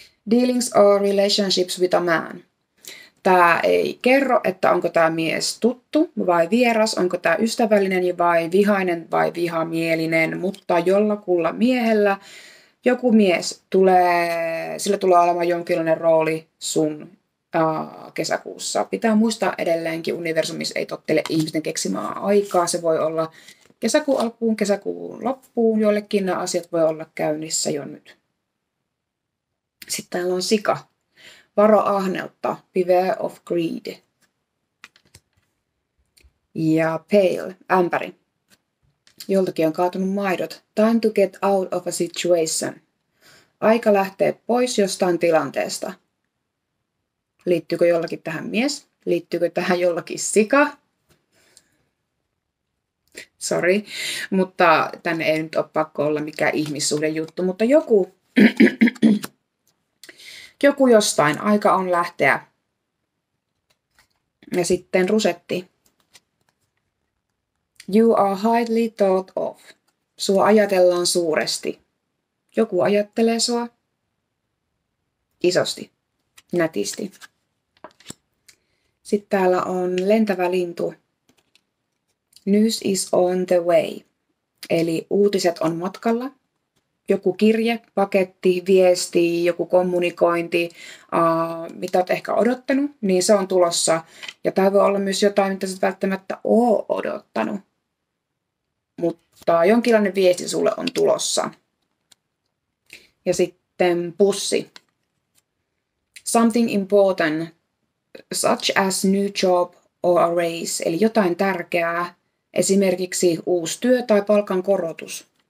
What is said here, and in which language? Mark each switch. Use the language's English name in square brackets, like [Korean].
[English] Dealings or relationships with a man. [Finnish] Tää ei kerro, että onko tää mies tuttu vai vieras, onko tää ystävällinen vai vihainen vai vihamielinen, mutta jollakulla miehellä joku mies tulee, sillä tulee olemaan jonkinlainen rooli sun kesäkuussa. Pitää muistaa edelleenkin, universumis ei tottele ihmisten keksimää aikaa, se voi olla kesäkuun alkuun, kesäkuun loppuun, joillekin nämä asiat voi olla käynnissä jo nyt. Sitten täällä on sika. Varo ahneutta. [English] Beware of greed. [Finnish] Ja pale. Ämpäri. Joltakin on kaatunut maidot. [English] Time to get out of a situation. [Finnish] Aika lähtee pois jostain tilanteesta. Liittyykö jollakin tähän mies? Liittyykö tähän jollakin sika? Sori, mutta tänne ei nyt ole pakko olla mikään ihmissuhdejuttu, mutta joku, joku jostain, aika on lähteä. Ja sitten rusetti. [English] You are highly thought of. [Finnish] Sua ajatellaan suuresti. Joku ajattelee sua isosti, nätisti. Sitten täällä on lentävä lintu. [English] News is on the way. [Finnish] Eli uutiset on matkalla. Joku kirje, paketti, viesti, joku kommunikointi, mitä olet ehkä odottanut, niin se on tulossa. Ja tämä voi olla myös jotain, mitä olet välttämättä ole odottanut. Mutta jonkinlainen viesti sulle on tulossa. Ja sitten pussi. [English] Something important, such as new job or a raise. [Finnish] Eli jotain tärkeää. Esimerkiksi uusi työ tai palkan korotus.